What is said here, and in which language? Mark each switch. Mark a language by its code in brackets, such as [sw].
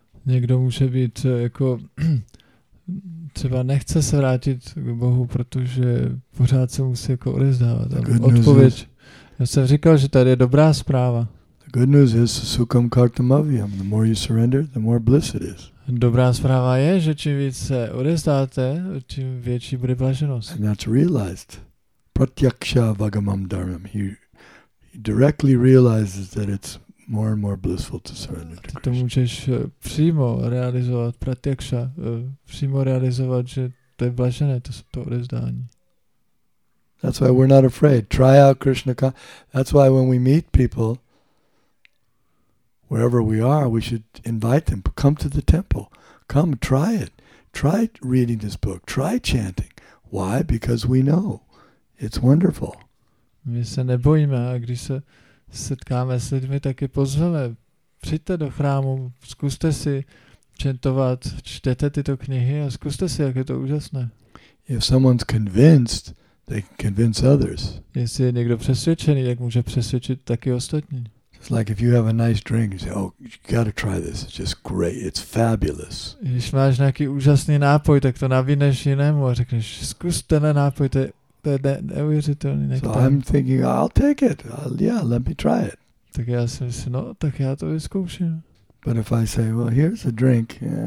[cs] Někdo může být jako třeba nechce se vrátit k Bohu, protože pořád se musí jako odevzdávat. Odpověď. Já jsem říkal, že tady je dobrá zpráva. [en] The good news is [sa] sukham kartam avyam. [en] The more you surrender, the more bliss it is. [cs] Dobrá zpráva je, že čím víc se odevzdáte, tím větší bude blaženost. [en] And that's realized. [sa] Pratyaksha vagamam dharmam. [en] Directly realizes that it's more and more blissful to surrender. [cs] Ty to můžeš přímo realizovat, pratyaksha, přímo realizovat, že to je blažené, to odevzdání. [en] That's why we're not afraid. Try out Krishna. That's why when we meet people, wherever we are, we should invite them. Come to the temple. Come, try it. Try reading this book. Try chanting. Why? Because we know it's wonderful. [cs] My se nebojíme a když se setkáme s lidmi, tak je pozveme. Přijďte do chrámu, zkuste si čentovat, čtěte tyto knihy a zkuste si, jak je to úžasné. [en] If someone's convinced, they can convince others. [cs] Jestli je někdo přesvědčený, tak může přesvědčit taky ostatní. [en] It's like if you have a nice drink, you say, oh, you gotta try this, it's just great, it's fabulous. [cs] Když máš nějaký úžasný nápoj, tak to navíneš jinému a řekneš, zkus ten nápoj, to je neuvěřitelný nektar. [en] So I'm thinking, I'll take it. Yeah, let me try it. [cs] Tak já si myslím, no, tak já to vyzkouším. [en] But if I say, well, here's a drink.